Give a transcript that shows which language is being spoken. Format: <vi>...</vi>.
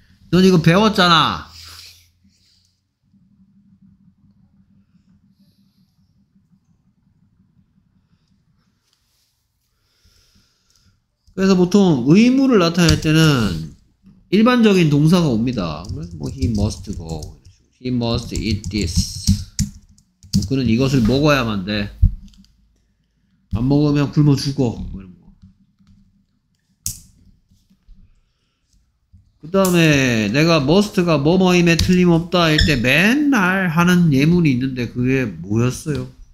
<ko>넌 이거 배웠잖아. 그래서 보통 의무를 나타낼 때는 일반적인 동사가 옵니다.</ko> <en>뭐 he must go, he must eat this.</en> <ko>뭐 그는 이것을 먹어야만 돼. 안 먹으면 굶어 죽어. 뭐 이런 거. 그다음에 내가 must가 뭐뭐임에 틀림없다 할 때 맨날 하는 예문이 있는데 그게 뭐였어요?</ko>